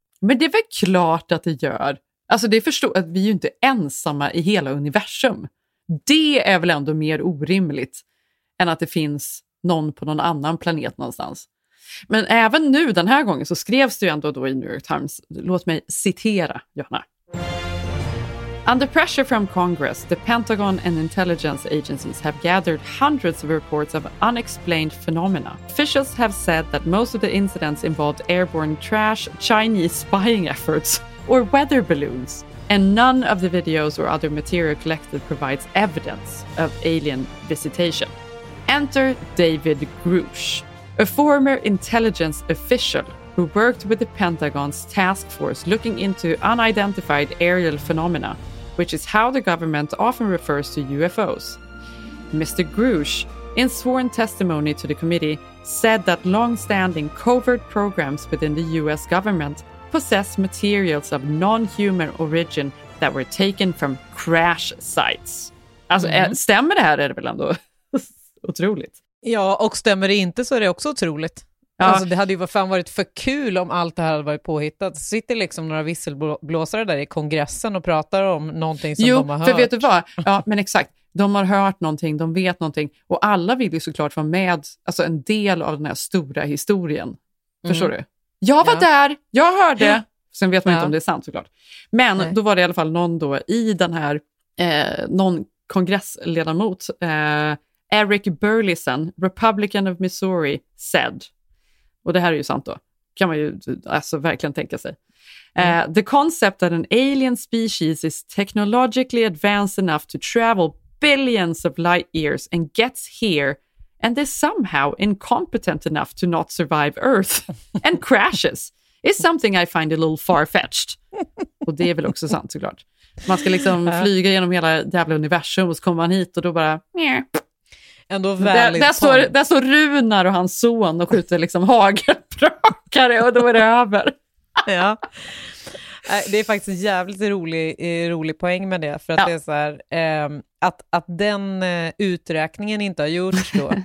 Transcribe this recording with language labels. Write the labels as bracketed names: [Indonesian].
[Swedish] Men det är väl klart att det gör. Alltså det förstår att vi är ju inte ensamma i hela universum. Det är väl ändå mer orimligt än att det finns någon på någon annan planet någonstans. Men även nu den här gången så skrevs det ju ändå då i New York Times. Låt mig citera, Johanna. [English] Under pressure from Congress, the Pentagon and intelligence agencies have gathered hundreds of reports of unexplained phenomena. Officials have said that most of the incidents involved airborne trash, Chinese spying efforts, or weather balloons. And none of the videos or other material collected provides evidence of alien visitation. Enter David Grush, a former intelligence official who worked with the Pentagon's task force looking into unidentified aerial phenomena, which is how the government often refers to UFOs. Mr. Grush, in sworn testimony to the committee, said that long-standing covert programs within the US government possess materials of non-human origin that were taken from crash sites. [Swedish] Alltså, stämmer det här är det väl ändå otroligt? Ja, och stämmer det inte så är det också otroligt. Ja. Alltså det hade ju fan varit för kul om allt det här hade varit påhittat. Sitter liksom några visselblåsare där i kongressen och pratar om någonting som jo, de har hört. Jo, för vet du vad? Ja, men exakt. De har hört någonting, de vet någonting. Och alla vill ju såklart vara med, alltså en del av den här stora historien. Förstår du? Jag var där, jag hörde. Sen vet man inte om det är sant såklart. Men då var det i alla fall någon då i den här, någon kongressledamot, Eric Burleson, [English] Republican of Missouri, said. [Swedish] Och det här är ju sant då. Kan man ju alltså verkligen tänka sig. [English] The concept that an alien species is technologically advanced enough to travel billions of light years and gets here and is somehow incompetent enough to not survive Earth and crashes is something I find a little far-fetched. [Swedish] Och det är väl också sant såklart. Man ska liksom flyga genom hela jävla universum och så kommer man hit och då bara... Meh. Ändå valid där står Runar och hans son och skjuter liksom hagelbrakare och då är det över. Ja. Det är faktiskt jävligt rolig poäng med det. För att det är så här, att den uträkningen inte har gjorts då.